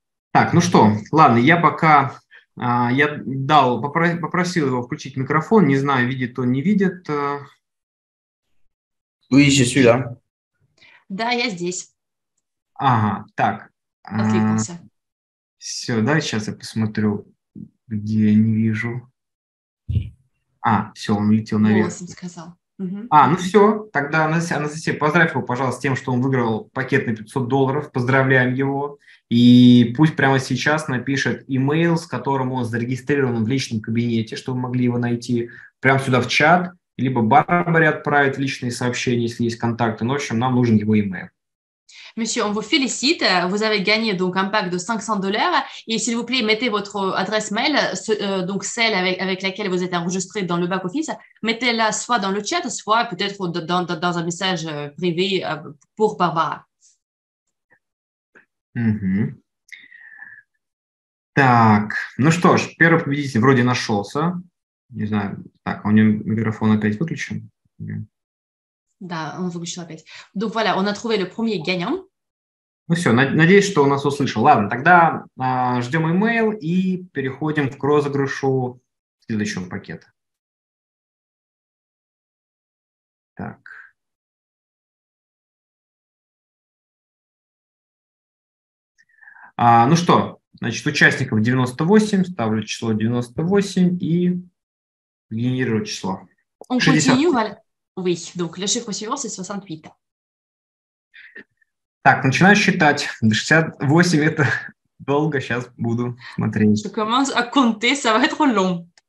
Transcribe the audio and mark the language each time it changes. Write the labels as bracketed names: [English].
[Russian] Так, ну что, ладно, я пока я дал, попросил его включить микрофон, не знаю, видит он, не видит. [French] Oui, je suis là. [Russian] Да, я здесь. Ага, так. Откликнулся. Все, да, сейчас я посмотрю, где я не вижу. А, все, он улетел наверх. Голосом сказал. А, ну все, тогда Анастасия, поздравь его, пожалуйста, с тем, что он выиграл пакет на $500. Поздравляем его. И пусть прямо сейчас напишет имейл, с которым он зарегистрирован в личном кабинете, чтобы вы могли его найти, прямо сюда в чат. Либо Барбаре отправит личные сообщения, если есть контакты. Но, в общем, нам нужен его имейл. [French] Monsieur, on vous félicite. Vous avez gagné donc un pack de 500 dollars. Et s'il vous plaît, mettez votre adresse mail, donc celle avec laquelle vous êtes enregistré dans le back office, mettez-la soit dans le chat, soit peut-être dans un message privé pour Barbara. [Russian] Так, ну что ж, первый победитель вроде нашелся. Не знаю, так, у него микрофон опять выключен. Да, он выключил опять. [French] Donc voilà, on a trouvé le premier gagnant. [Russian] Ну все, надеюсь, что он нас услышал. Ладно, тогда ждем email и переходим к розыгрышу следующего пакета. Так. Ну что, значит, участников 98, ставлю число 98 и генерирую число. [French] Он continue, oui. Donc, le chiffre suivant, c'est 68. [Russian] Так, начинаю считать. 68 – это долго, сейчас буду смотреть. [French] Je commence à compter, ça va être long.